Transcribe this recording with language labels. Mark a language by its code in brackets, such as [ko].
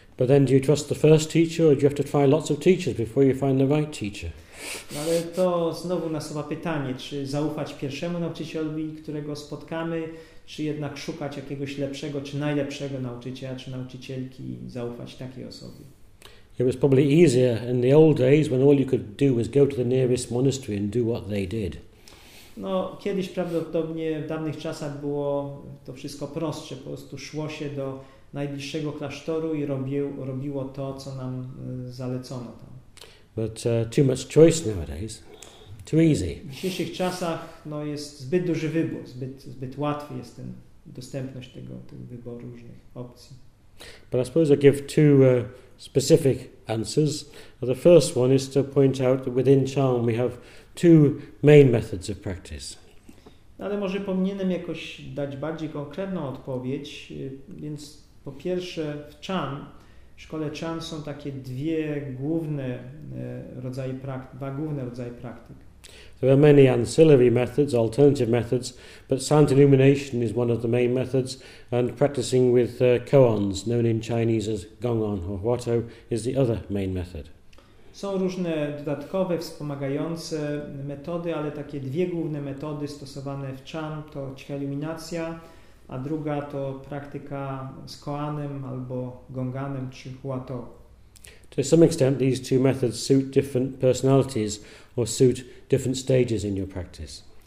[en] But then do you trust the first teacher, or do you have to try lots of teachers before you find the right teacher? [pl] No, ale to znowu nasuwa pytanie, czy zaufać pierwszemu nauczycielowi, którego spotkamy, czy jednak szukać jakiegoś lepszego, czy najlepszego nauczyciela, czy nauczycielki i zaufać takiej osobie. [en] It was probably easier in the old days when all you could do was go to the nearest monastery and do what they did. [pl] No, kiedyś prawdopodobnie w dawnych czasach było to wszystko prostsze. Po prostu szło się do najbliższego klasztoru i robiło to, co nam zalecono tam. [en] But too much choice nowadays. Too easy. [pl] W dzisiejszych czasach no, jest zbyt duży wybór, zbyt łatwy jest ten dostępność tych wyborów różnych opcji. [en] But I suppose I give two specific answers. The first one is to point out that within Chan we have two main methods of practice. [pl] Ale może powinienem jakoś dać bardziej konkretną odpowiedź, więc po pierwsze w Chan, w szkole Chan są takie dwa główne rodzaje praktyk. [en] There are many ancillary methods, alternative methods, but sound illumination is one of the main methods, and practicing with koans, known in Chinese as gongan or huato, is the other main method. [pl] Są różne dodatkowe, wspomagające metody, ale takie dwie główne metody stosowane w Chan to cicha iluminacja, a druga to praktyka z koanem albo gonganem czy huato. [en] To some extent, these two methods suit different personalities or suit different stages in your practice.